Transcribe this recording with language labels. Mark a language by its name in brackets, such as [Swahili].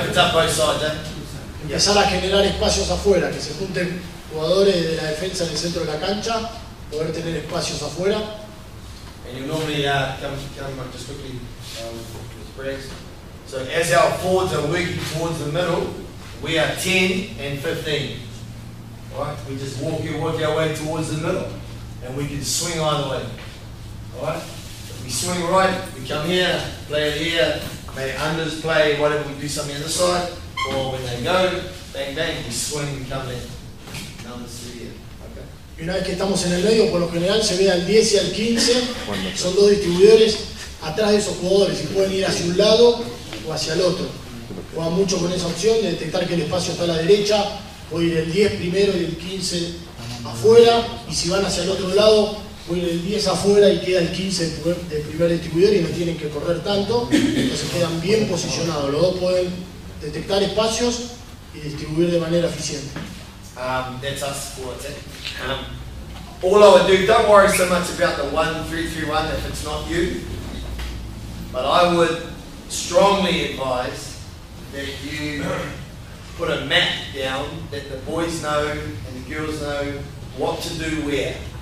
[Spanish] Empezar a generar espacios afuera, que se junten jugadores de la defensa en el centro de la cancha, poder tener espacios afuera. [English] And you normally come just quickly with breaks. So as our forwards are working towards the middle, we are 10 and 15. Alright? We just walk our way towards the middle and we can swing either way. Alright? If we swing right, we come here, play it here, play unders, play whatever, we do something on this side, Or when they go, bang, bang, we swing and come in. Down the studio. [Spanish] Okay. Y una vez que estamos en el medio, por lo general se ve al 10 y al 15. Son dos distribuidores atrás de esos jugadores y pueden ir hacia un lado o hacia el otro. Juega mucho con esa opción de detectar que el espacio está a la derecha, o ir el 10 primero y el 15 afuera, y si van hacia el otro lado, voy el 10 afuera y queda el 15 de primer distribuidor y no tienen que correr tanto, entonces quedan bien posicionados. Los dos pueden detectar espacios y distribuir de manera eficiente. [English] That's us for it. All I would do, don't worry so much about the 1-3-3-1 if it's not you, but I would strongly advise that you put a map down that the boys know and the girls know what to do where.